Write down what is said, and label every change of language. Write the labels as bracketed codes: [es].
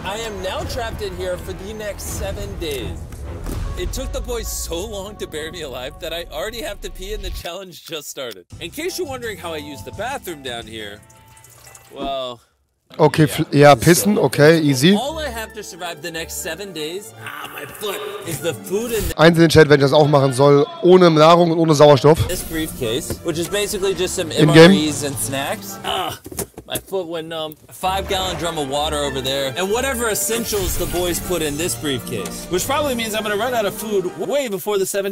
[en] I am now trapped in here for the next 7 days. It took the boys so long to bury me alive that I already have to pee and the challenge just started. In case you're wondering how I use the bathroom down here, well... Okay, yeah, pissen, okay, easy. All I have to survive the next 7 days, my foot, is the food in the... [de] Eins in den Chat, wenn ich das auch machen soll, ohne Nahrung und ohne Sauerstoff. [en] This briefcase, which is basically just some MREs and snacks. My foot went numb. 5 gallon drum of water over there. And whatever essentials the boys put in this briefcase. Which probably means I'm gonna run out of food way before the 7.